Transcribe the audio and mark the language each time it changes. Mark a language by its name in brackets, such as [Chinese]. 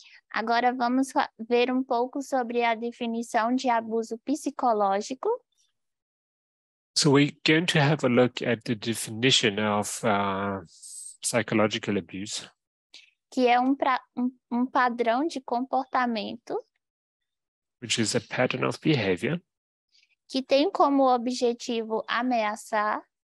[Portuguese] Agora vamos ver pouco sobre a definição de abuso psicológico. [English] So we're going to have a look at the definition of psychological abuse. [Portuguese] Que é um padrão de comportamento. [English] Which is a pattern of behavior. [Portuguese] Que tem como objetivo ameaçar.